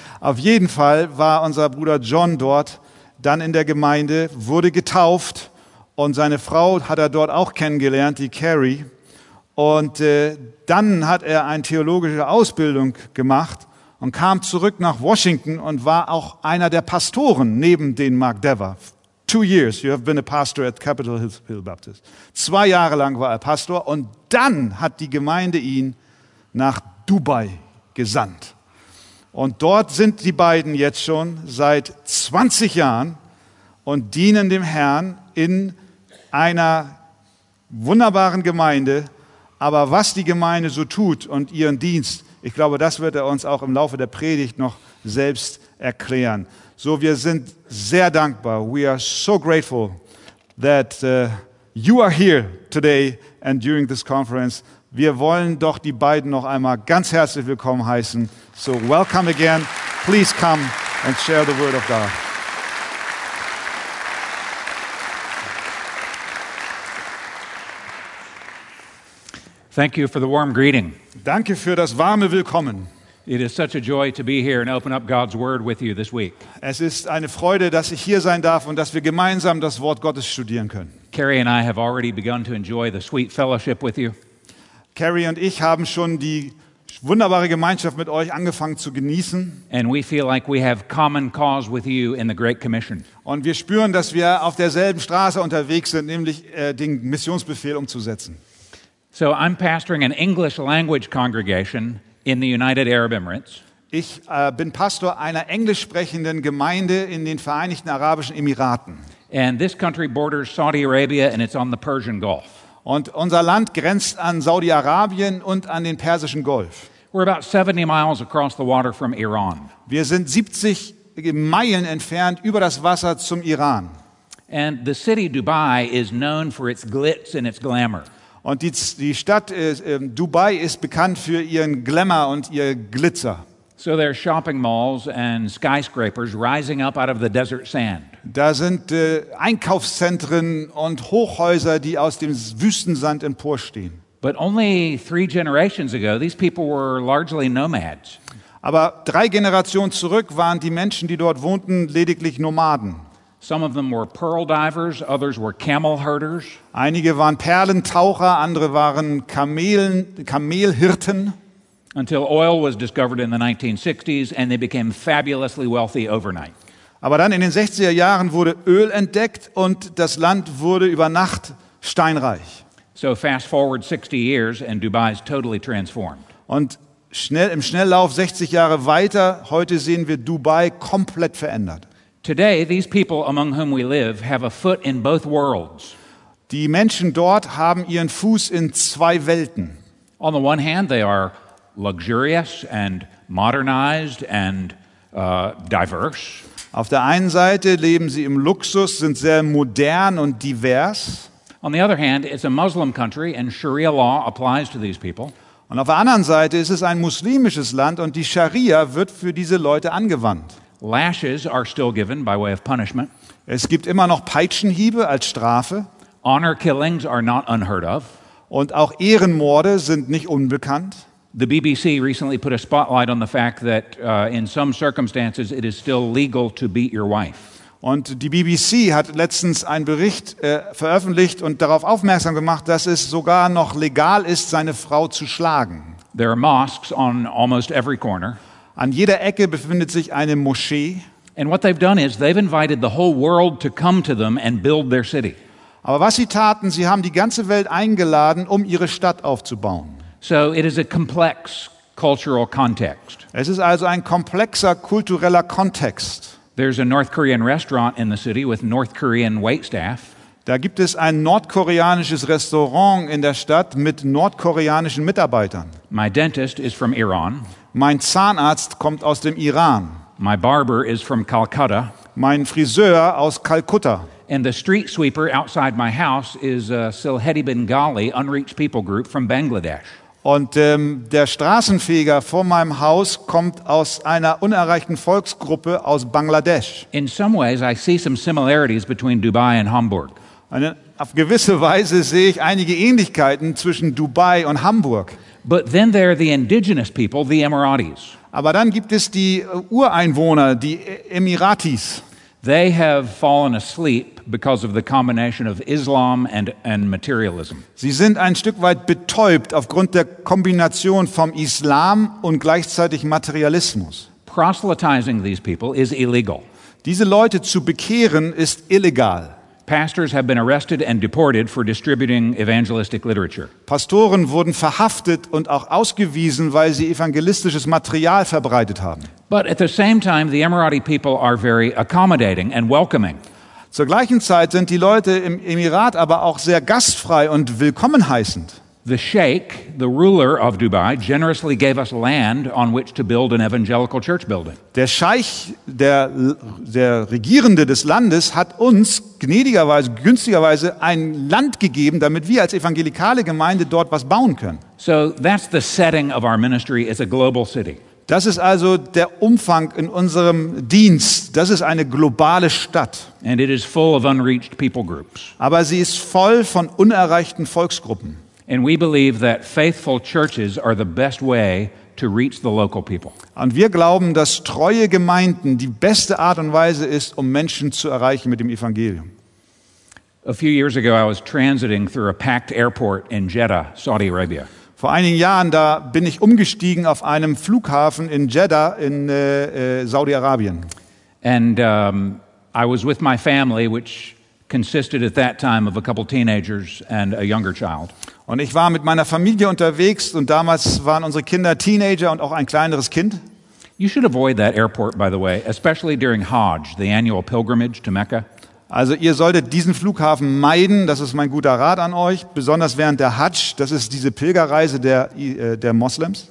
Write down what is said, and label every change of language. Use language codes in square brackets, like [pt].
[de] Auf jeden Fall war unser Bruder John dort, dann in der Gemeinde, wurde getauft und seine Frau hat er dort auch kennengelernt, die Carrie. Und dann hat er eine theologische Ausbildung gemacht und kam zurück nach Washington und war auch einer der Pastoren neben den Mark Dever. [en] 2 years you have been a pastor at Capitol Hill Baptist. [de] 2 Jahre lang war er Pastor und dann hat die Gemeinde ihn nach Dubai gesandt. Und dort sind die beiden jetzt schon seit 20 Jahren und dienen dem Herrn in einer wunderbaren Gemeinde. Aber was die Gemeinde so tut und ihren Dienst, ich glaube, das wird er uns auch im Laufe der Predigt noch selbst erklären. So, wir sind sehr dankbar. [en] We are so grateful that you are here today and during this conference. [de] Wir wollen doch die beiden noch einmal ganz herzlich willkommen heißen. [en] So, welcome again. Please come and share the word of God. Thank you for the warm greeting. [de] Danke für das warme Willkommen. [en] It is such a joy to be here and open up God's word with you this week. [de] Es ist eine Freude, dass ich hier sein darf und dass wir gemeinsam das Wort Gottes studieren können. [en] Carrie and I have already begun to enjoy the sweet fellowship with you. [de] Carrie und ich haben schon die wunderbare Gemeinschaft mit euch angefangen zu genießen. [en] And we feel like we have common cause with you in the Great Commission. [de] Und wir spüren, dass wir auf derselben Straße unterwegs sind, nämlich den Missionsbefehl umzusetzen. [en] So I'm pastoring an English language congregation in the United Arab Emirates. [de] Ich bin Pastor einer englisch sprechenden Gemeinde in den Vereinigten Arabischen Emiraten. [en] And this country borders Saudi Arabia and it's on the Persian Gulf. [de] Und unser Land grenzt an Saudi-Arabien und an den Persischen Golf. [en] We're about 70 miles across the water from Iran. [de] Wir sind 70 Meilen entfernt über das Wasser zum Iran. [en] And the city Dubai is known for its glitz and its glamour. [de] Und die Stadt Dubai ist bekannt für ihren Glamour und ihr Glitzer. [en] So there are shopping malls and skyscrapers rising up out of the desert sand. [de] Da sind Einkaufszentren und Hochhäuser, die aus dem Wüstensand emporstehen. [en] But only 3 generations ago, these people were largely nomads. [de] Aber 3 Generationen zurück waren die Menschen, die dort wohnten, lediglich Nomaden. [en] Some of them were pearl divers, others were camel herders. [de] Einige waren Perlentaucher, andere waren Kamelhirten. [en] Until oil was discovered in the 1960s and they became fabulously wealthy overnight. [de] Aber dann in den 60er Jahren wurde Öl entdeckt und das Land wurde über Nacht steinreich. [en] So fast forward 60 years and Dubai is totally transformed. [de] Und im Schnelllauf 60 Jahre weiter, heute sehen wir Dubai komplett verändert. [en] Today, these people among whom we live have a foot in both worlds. [de] Die Menschen dort haben ihren Fuß in 2 Welten. [en] On the one hand, they are luxurious and modernized and diverse. [de] Auf der einen Seite leben sie im Luxus, sind sehr modern und divers. [en] On the other hand, it's a Muslim country and Sharia law applies to these people. [de] Und auf der anderen Seite ist es ein muslimisches Land und die Scharia wird für diese Leute angewandt. [en] Lashes are still given by way of punishment. [de] Es gibt immer noch Peitschenhiebe als Strafe. [en] Honor killings are not unheard of. [de] Und auch Ehrenmorde sind nicht unbekannt. [en] The BBC recently put a spotlight on the fact that in some circumstances it is still legal to beat your wife. [de] Und die BBC hat letztens einen Bericht veröffentlicht und darauf aufmerksam gemacht, dass es sogar noch legal ist, seine Frau zu schlagen. [en] There are mosques on almost every corner. [de] An jeder Ecke befindet sich eine Moschee. [en] And what they've done is they've invited the whole world to come to them and build their city. [de] Aber was sie taten, sie haben die ganze Welt eingeladen, um ihre Stadt aufzubauen. [en] So it is a complex cultural context. [de] Es ist also ein komplexer kultureller Kontext. [en] There's a North Korean restaurant in the city with North Korean waitstaff. [de] Da gibt es ein nordkoreanisches Restaurant in der Stadt mit nordkoreanischen Mitarbeitern. [en] My dentist is from Iran. [de] Mein Zahnarzt kommt aus dem Iran. [en] My barber is from Calcutta. [de] Mein Friseur aus Kalkutta. [en] And the street sweeper outside my house is a Sylheti Bengali unreached people group from Bangladesh. [de] Und der Straßenfeger vor meinem Haus kommt aus einer unerreichten Volksgruppe aus Bangladesch. [en] In some ways I see some similarities between Dubai and Hamburg. [de] Auf gewisse Weise sehe ich einige Ähnlichkeiten zwischen Dubai und Hamburg. [en] But then there are the indigenous people, the Emiratis. [de] Aber dann gibt es die Ureinwohner, die Emiratis. [en] They have fallen asleep because of the combination of Islam and materialism. [de] Sie sind ein Stück weit betäubt aufgrund der Kombination vom Islam und gleichzeitig Materialismus. [en] Proselytizing these people is illegal. [de] Diese Leute zu bekehren ist illegal. [en] Pastors have been arrested and deported for distributing evangelistic literature. [de] Pastoren wurden verhaftet und auch ausgewiesen, weil sie evangelistisches Material verbreitet haben. [en] But at the same time, the Emirati people are very accommodating and welcoming. [de] Zur gleichen Zeit sind die Leute im Emirat aber auch sehr gastfrei und willkommen heißend. [en] The Sheikh, the ruler of Dubai, generously gave us land on which to build an evangelical church building. [de] Der Scheich, der Regierende des Landes, hat uns gnädigerweise, günstigerweise ein Land gegeben, damit wir als evangelikale Gemeinde dort was bauen können. [en] So that's the setting of our ministry, is a global city. [de] Das ist also der Umfang in unserem Dienst. Das ist eine globale Stadt. [en] And it is full of unreached people groups. [de] Aber sie ist voll von unerreichten Volksgruppen. [en] And we believe that faithful churches are the best way to reach the local people. [de] Und wir glauben, dass treue Gemeinden die beste Art und Weise ist, um Menschen zu erreichen mit dem Evangelium. [en] A few years ago I was transiting through a packed airport in Jeddah, Saudi Arabia. [de] Vor einigen Jahren da bin ich umgestiegen auf einem Flughafen in Jeddah in Saudi-Arabien. [en] And I was with my family, which consisted at that time of a couple teenagers and a younger child. [de] Und ich war mit meiner Familie unterwegs und damals waren unsere Kinder Teenager und auch ein kleineres Kind. [en] You should avoid that airport, by the way, especially during Hajj, the annual pilgrimage to Mecca. [de] Also ihr solltet diesen Flughafen meiden, das ist mein guter Rat an euch, besonders während der Hajj, das ist diese Pilgerreise der Moslems.